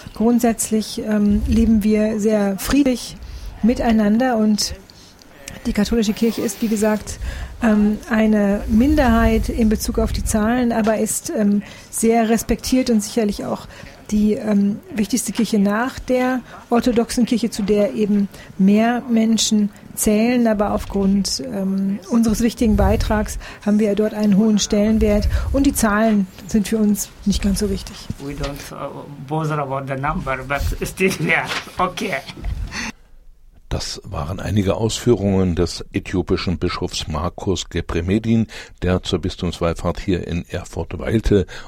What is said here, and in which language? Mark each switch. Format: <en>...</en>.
<de>Grundsätzlich leben wir sehr friedlich miteinander und die katholische Kirche ist, wie gesagt, eine Minderheit in Bezug auf die Zahlen, aber ist sehr respektiert und sicherlich auch die wichtigste Kirche nach der orthodoxen Kirche, zu der eben mehr Menschen zählen. Aber aufgrund unseres wichtigen Beitrags haben wir dort einen hohen Stellenwert. Und die Zahlen sind für uns nicht ganz so wichtig.</de> <en>We don't bother about the number, but still there. Okay.</en> <de>Das waren einige Ausführungen des äthiopischen Bischofs Markus Gebremedin, der zur Bistumswallfahrt hier in Erfurt weilte.</de>